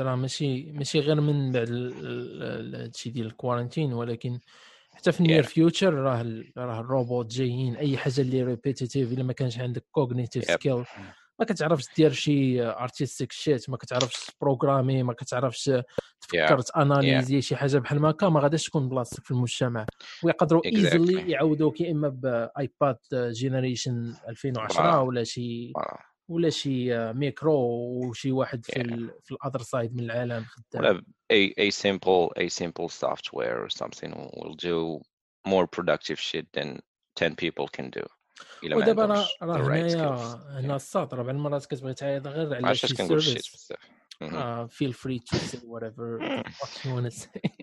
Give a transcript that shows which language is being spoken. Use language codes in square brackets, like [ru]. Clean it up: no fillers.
[ar] راه ماشي غير من بعد الشيء ديال الكوارنتين، ولكن حتى في [en] near future [ar] راه الروبوت جايين، أي حاجة اللي repetitive اللي ما كانش عندك [en] cognitive skill [ar] ما كتعرفش دير شي [en] artistic shit، [ar] ما كتعرفش programming، ما كتعرفش تفكر تاناليزي شي حاجة بحال ما كان، ما غاداش تكون بلاصتك في المجتمع. ويقدروا easily يعودوك يا إما بآيباد جينيريشن 2010 ولا شي ميكرو، وشي واحد في [en] الأذر سايد [ar] من العالم خدام. ولا [en] a simple software or something will do more productive shit than 10 people can do. [ar] ودابا راه هنا الصاط، راه بعض المرات كتبغي تعيط غير على شي سيرفيس. [en] feel free to say whatever what you want to say.